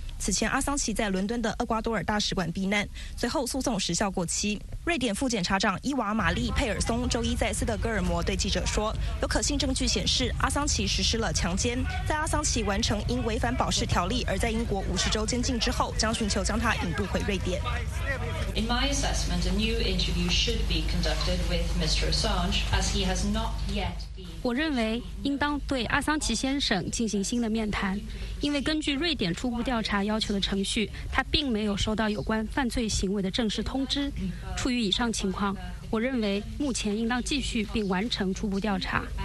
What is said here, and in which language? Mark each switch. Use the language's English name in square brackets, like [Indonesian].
[Chinese] 此前阿桑奇在伦敦的厄瓜多尔大使馆避难，随后诉讼时效过期。瑞典副检察长伊娃玛丽佩尔松周一在斯德哥尔摩对记者说，有可信证据显示阿桑奇实施了强奸。在阿桑奇完成因违反保释条例而在英国50周监禁之后，将寻求将他引渡回瑞典。 [English] In my assessment, a new interview should be conducted with Mr. Assange, as he has not yet been. [Chinese] 我认为应当对阿桑奇先生进行新的面谈，因为根据瑞典初步调查要求的程序，他并没有收到有关犯罪行为的正式通知。出于以上情况，我认为目前应当继续并完成初步调查。